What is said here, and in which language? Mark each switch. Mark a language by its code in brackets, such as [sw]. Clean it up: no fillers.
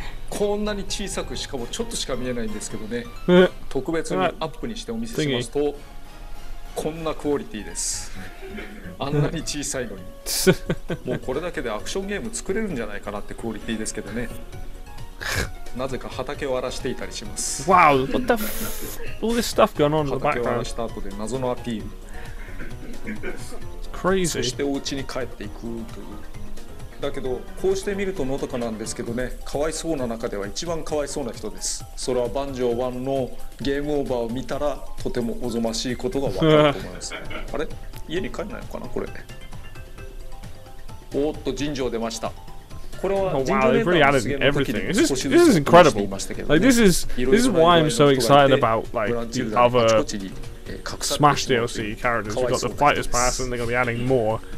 [ja] こんなに小さく、しかもちょっとしか見えないんですけどね。特別にアップにしてお見せしますと、こんなクオリティです。あんなに小さいのに、もうこれだけでアクションゲーム作れるんじゃないかなってクオリティですけどね。なぜか畑を荒らしていたりします。 [en] Wow, what the all this stuff going on in the background. [ja] 畑を荒らした後で謎のアピール。 [en] It's crazy. [ja] そしてお家に帰っていくという。だけどこうして見るとのどかなんですけどね、かわいそうな中では一番かわいそうな人です。それはバンジョー1のゲームオーバーを見たらとてもおぞましいことがわかると思います。あれ、家に帰らないのかなこれ。おっと神社出ました。これは神社出たんですけど、少しずつ見ていましたけどね。 [en] This is why I'm so excited about like the other Smash DLC characters. You've got the Fighters Pass, and they're going to be adding more.